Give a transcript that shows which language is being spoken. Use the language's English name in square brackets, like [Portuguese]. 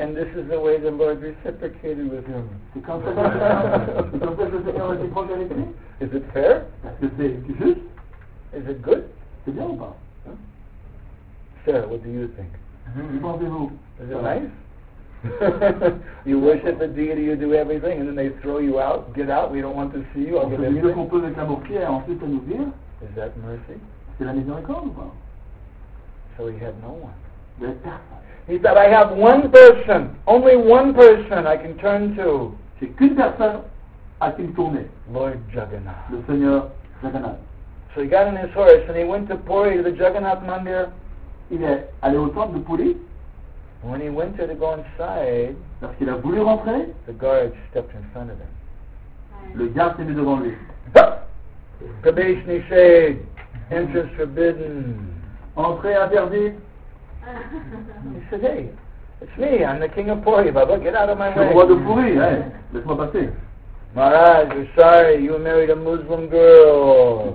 [English] And this is the way the Lord reciprocated with him. [French] C'est comme ça que le Seigneur a été proche avec lui. [English] Is it fair? [French] Est-ce que c'est juste? [English] Is it good? [French] C'est bien ou pas? [English] Sir, what do you think? [French] Pensez-vous? [English] Is it nice? You worship the deity, you do everything, and then they throw you out. Get out, we don't want to see you. [French] C'est mieux qu'on peut mettre la mortière et ensuite nous dire. [English] Is that mercy? [French] C'est la miséricorde ou pas? [English] So he had no one. He said, I have one person, only one person I can turn to. [French] C'est qu'une personne à qui me tourner. [English] Lord Jagannath. [French] Le Seigneur Jagannath. [English] So he got on his horse and he went to Puri, the Jagannath Mandir. [French] Il est allé au temple de Puri. [English] When he went there to go inside, [French] lorsqu'il a voulu rentrer, [English] the guard stepped in front of him. [French] Le garde s'est mis devant lui. [Hindi] Prabesh nished, [English] entrance forbidden. [French] Entrée interdite. [English] He said, hey, it's me, I'm the king of Puri, Baba, get out of my way. [French] Le roi de Puri, hey, laisse-moi passer. [English] Maharaj, we're sorry, you married a Muslim girl.